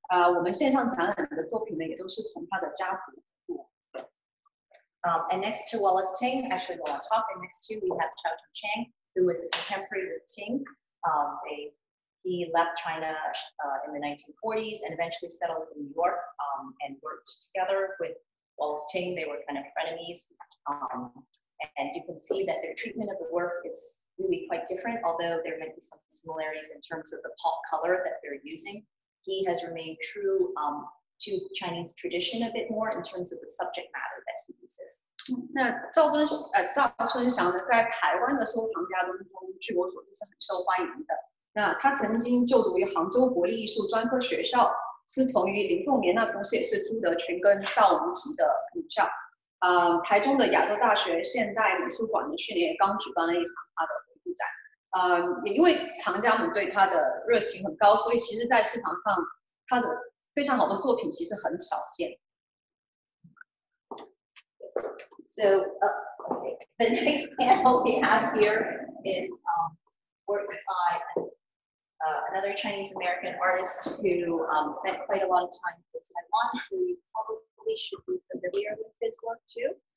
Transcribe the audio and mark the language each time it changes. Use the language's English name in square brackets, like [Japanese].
[Chinese] 我们线上展览的作品呢，也都是从他的家族。 [English] And next to Wallace Ting, actually on top, and next to we have Chao Chun Chang, who was a contemporary with Ting. He left China in the 1940s and eventually settled in New York and worked together with Wallace Ting. They were kind of frenemies. And you can see that their treatment of the work is really quite different, although there might be some similarities in terms of the pop color that they're using. He has remained true to Chinese tradition a bit more in terms of the subject matter that he uses. [Chinese] 那赵春祥呢，在台湾的收藏家当中，据我所知是很受欢迎的。那他曾经就读于杭州国立艺术专科学校，是从于林凤年，那同时也是朱德群跟赵文琪的母校。台中的亚洲大学现代美术馆的去年也刚举办了一场他的回顾展。也因为藏家们对他的热情很高，所以其实在市场上他的非常好的作品其实很少见。 [English] So, the next panel we have here is works by another Chinese American artist who spent quite a lot of time in Taiwan, so you probably should be familiar with his work too.